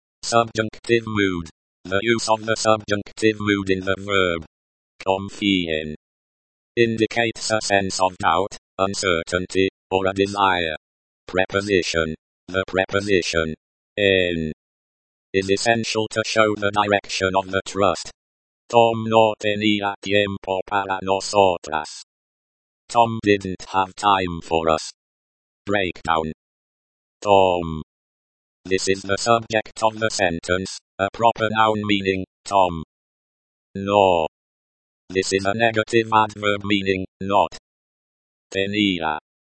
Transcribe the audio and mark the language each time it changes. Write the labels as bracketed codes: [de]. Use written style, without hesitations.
[en] Subjunctive mood. The use of the subjunctive mood in the verb. Confíen. Indicates a sense of doubt, uncertainty, or a desire. Preposition. The preposition. En. Is essential to show the direction of the trust. [es] Tom no tenía tiempo para nosotras. [en] Tom didn't have time for us. Breakdown. Tom. This is the subject of the sentence, a proper noun meaning, Tom. No. This is a negative adverb meaning, not. Tenía.